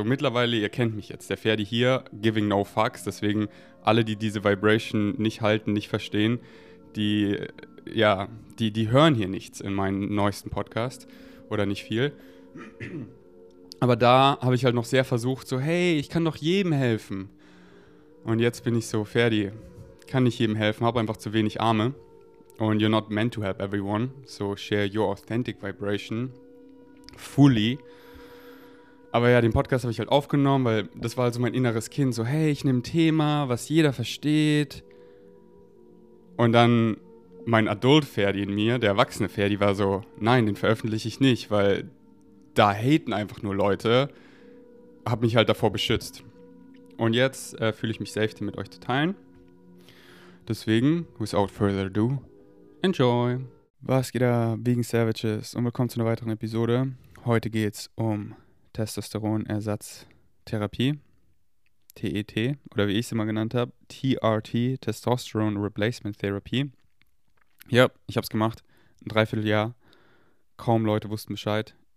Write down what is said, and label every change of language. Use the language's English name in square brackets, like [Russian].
[German] So mittlerweile, ihr kennt mich jetzt, der Ferdi hier, [English] giving no fucks, [German] deswegen alle, die diese Vibration nicht halten, nicht verstehen, die hören hier nichts in meinem neuesten Podcast oder nicht viel. Aber da habe ich halt noch sehr versucht, so hey, ich kann doch jedem helfen. Und jetzt bin ich so, Ferdi, kann nicht jedem helfen, habe einfach zu wenig Arme. Und [English] you're not meant to help everyone, so share your authentic vibration fully. [German] Aber ja, den Podcast habe ich halt aufgenommen, weil das war also mein inneres Kind, so hey, ich nehme ein Thema, was jeder versteht. Und dann mein Adult-Ferdi in mir, der erwachsene Ferdi, war so, nein, den veröffentliche ich nicht, weil da haten einfach nur Leute, hab mich halt davor beschützt. Und jetzt fühle ich mich safe, den mit euch zu teilen. Deswegen, [English] without further ado, enjoy! [German] Was geht da, Vegan Savages? Und willkommen zu einer weiteren Episode. Heute geht's um Testosteron-Ersatztherapie. TET, oder wie ich es immer genannt habe, TRT, Testosterone Replacement Therapy. Ja, ich habe es gemacht, ein Dreivierteljahr, kaum Leute wussten Bescheid.